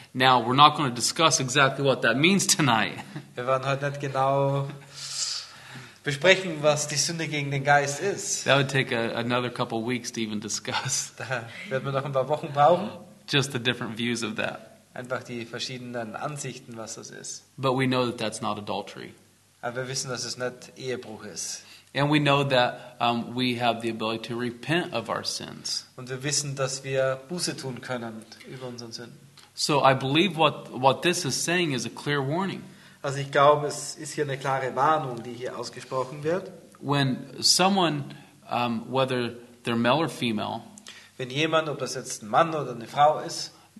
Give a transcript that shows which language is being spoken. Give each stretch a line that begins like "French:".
English: Now we're not going to discuss exactly what that means tonight.
German: Wir werden heute nicht genau besprechen, was die Sünde gegen den Geist ist.
English: That would take another couple weeks to even discuss.
German: Da werden wir noch ein paar Wochen brauchen.
English: Just the different views of that.
German: Einfach die verschiedenen Ansichten, was das ist.
English: But we know that that's not adultery.
German: Aber wir wissen, dass es nicht Ehebruch ist.
English: And we know that we have the ability to repent of our sins.
German: Und wir wissen, dass wir Buße tun können über unseren Sünden.
English: So I believe what this is saying is a clear warning.
German: Also ich glaube, es ist hier eine klare Warnung, die hier ausgesprochen wird.
English: When someone, whether they're male or female,
German: wenn jemand, ob das jetzt ein Mann oder eine Frau ist,